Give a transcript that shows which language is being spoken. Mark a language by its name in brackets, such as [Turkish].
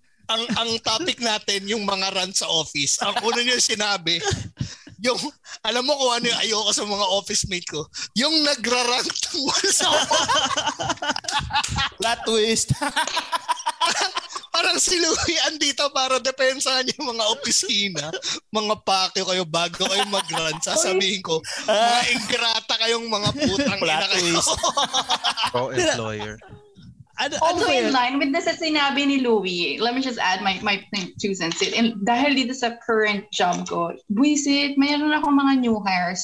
[Filipino] Ang topic natin, yung mga rant sa office. Ang una niyo sinabi, yung, alam mo kung ano yung ayoko sa mga office mate ko, yung nagra-rant tungkol sa office. [English] Plot twist. [Filipino] parang si Louie andito para depensa niya yung mga opisina. Mga pakyo kayo bago kayo mag-rant. Sasabihin ko, mga ingrata kayong mga putang ina kayo. [English] Pro-employer. Also in line with this, [Filipino] sinabi ni Louie, [English] let me just add my two cents. [Filipino] And dahil dito sa current job ko, buisit, mayroon ako mga new hires.